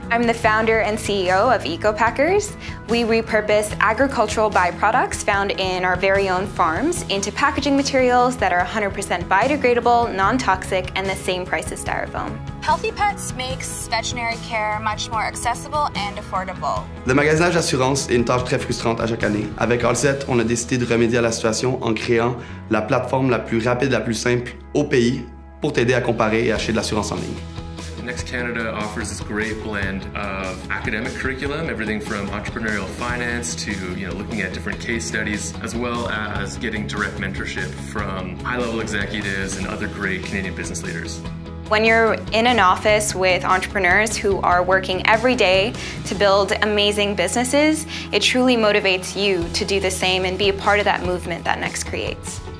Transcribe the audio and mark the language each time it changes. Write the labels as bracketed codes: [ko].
[en] I'm the founder and CEO of EcoPackers. We repurpose agricultural byproducts found in our very own farms into packaging materials that are 100% biodegradable, non-toxic, and the same price as styrofoam. Healthy Pets makes veterinary care much more accessible and affordable. [fr] Le magasinage d'assurance est une tâche très frustrante à chaque année. Avec Allset, on a décidé de remédier à la situation en créant la plateforme la plus rapide, la plus simple au pays pour t'aider à comparer et acheter de l'assurance en ligne. [en] Next Canada offers this great blend of academic curriculum, everything from entrepreneurial finance to, you know, looking at different case studies, as well as getting direct mentorship from high-level executives and other great Canadian business leaders. When you're in an office with entrepreneurs who are working every day to build amazing businesses, it truly motivates you to do the same and be a part of that movement that Next creates.